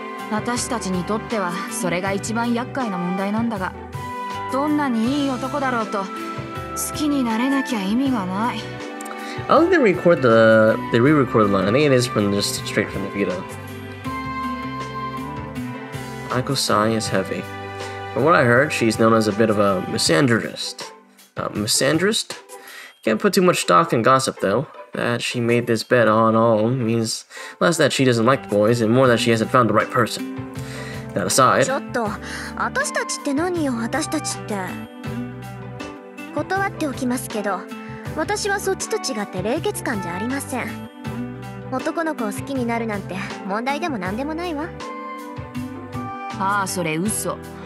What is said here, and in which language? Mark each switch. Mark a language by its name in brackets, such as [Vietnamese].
[Japanese] 私たちにとってはそれが一番厄介な問題なんだが、どんなにいい男だろうと好きになれなきゃ意味がない。 [English] I think they record they re-record the line. I think it is from just straight from the Vita. Ayako's sigh is heavy. From what I heard, she's known as a bit of a misandrist. A misandrist? Can't put too much stock in gossip though. That she made this bet on all means less that she doesn't like the boys and more that she hasn't found the right person. That aside, [Japanese] ちょっと、私たちって何よ、私たちって。断っておきますけど、私はそっちと違って冷血感じゃありません。男の子を好きになるなんて問題でも何でもないわ。ああ、それ嘘。